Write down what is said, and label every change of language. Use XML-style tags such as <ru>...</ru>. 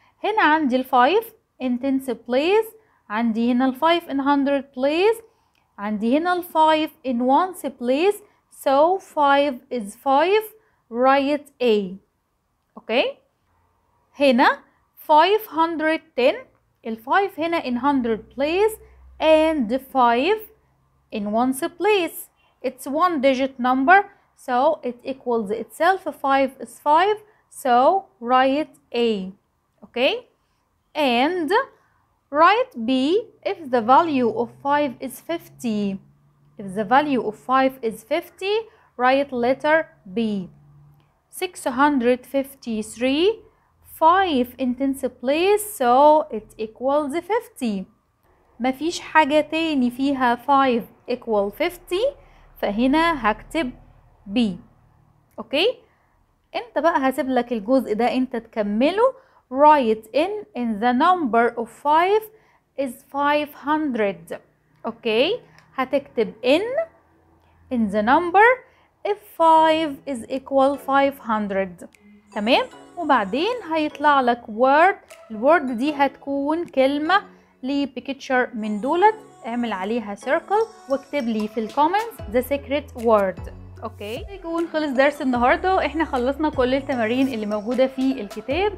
<ar>هنا عندي ال 5</ar> <en>in tens place.</en> <ar>عندي هنا ال 5</ar> <en>in 100 place.</en> <ar>عندي هنا ال</ar> <en>5 in ones place. So 5 is 5. Write A. Okay, هنا 510. ال 5 هنا in 100 place. And 5 in ones place. It's one digit number. So it equals itself. 5 is 5. So write A. Okay? And write B if the value of 5 is 50. If the value of 5 is 50, write letter B. 653. 5 in tens place. So it equals 50.</en> <ar>ما فيش حاجة تاني فيها 5</ar> <en>equal 50.</en> <ar>فهنا هكتب B. Okay. انت بقى هسيب لك الجزء ده انت تكمله.</ar> <en>Write in the number of 5 is 500. Okay.</en> <ar>هتكتب</ar> <en>in the number if 5 is equal 500.</en> <ar>تمام. وبعدين هيطلع لك word. الword دي هتكون كلمة لي picture من دولت. اعمل عليها circle واكتب لي في الكومنت</ar> <en>the secret word.</en> <ar>اوكي يكون خلص درس النهاردة. احنا خلصنا كل التمارين اللي موجودة في الكتاب.</ar>